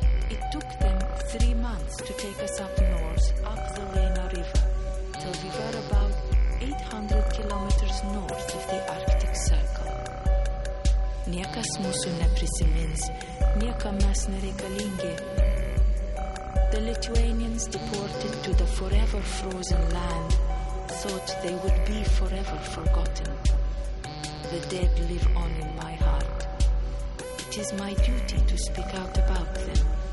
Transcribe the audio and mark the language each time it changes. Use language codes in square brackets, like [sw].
[en] It took them 3 months to take us up north, up the Lena River, till we were about 800 kilometers north of the Arctic Circle. [lt] Niekas mūsų neprisimins, niekam mes nereikalingi. [en] The Lithuanians deported to the forever frozen land thought they would be forever forgotten. The dead live on in my heart. It is my duty to speak out about them.